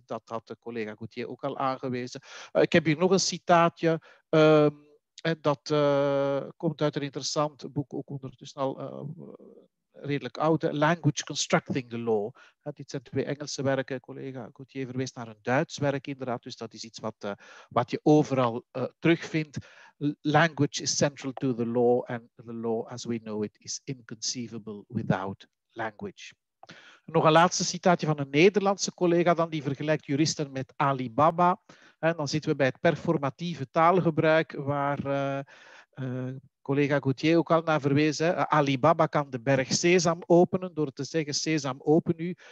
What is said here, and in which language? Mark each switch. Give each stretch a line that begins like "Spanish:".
Dutch: Dat had collega Gauthier ook al aangewezen. Ik heb hier nog een citaatje. Dat komt uit een interessant boek, ook ondertussen al redelijk oud. Language Constructing the Law. Dit zijn 2 Engelse werken. Collega Gauthier verwees naar een Duits werk inderdaad. Dus dat is iets wat je overal terugvindt.
English: Language is central to the law and the law as we know it is inconceivable without language.
Dutch: Nog een laatste citaatje van een Nederlandse collega dan. Die vergelijkt juristen met Alibaba. En dan zitten we bij het performatieve taalgebruik waar collega Gauthier ook al naar verwezen. Alibaba kan de berg Sesam openen door te zeggen Sesam, open u.